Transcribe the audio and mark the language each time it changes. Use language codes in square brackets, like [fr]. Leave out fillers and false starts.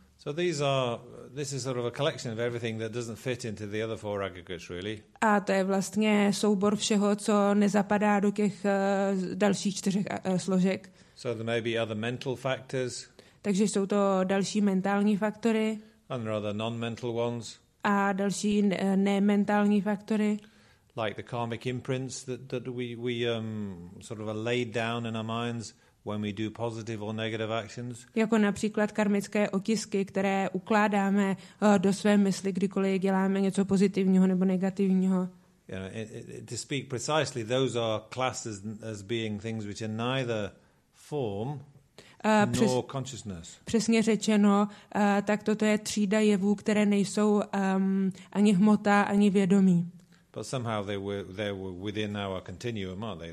[en] So these are, this is sort of a collection of everything that doesn't fit into the other four aggregates, really. [cs] A to je vlastně soubor všeho, co nezapadá do těch dalších čtyřech složek. [en] So there may be other mental factors. [cs] Takže jsou to další mentální faktory. [en] And there are other non-mental ones. [cs] A další nementální faktory. [en] Like the karmic imprints that we sort of are laid down in our minds. When we do positive or negative actions. [cs] Jako například karmické otisky, které ukládáme do své mysli, kdykoliv děláme něco pozitivního nebo negativního. [en] You know, to speak precisely, those are classed as being things which are neither form nor consciousness. [cs] Přesně řečeno, tak toto je třída jevů, které nejsou ani hmota, ani vědomí. [en] But somehow they were within our continuum, aren't they?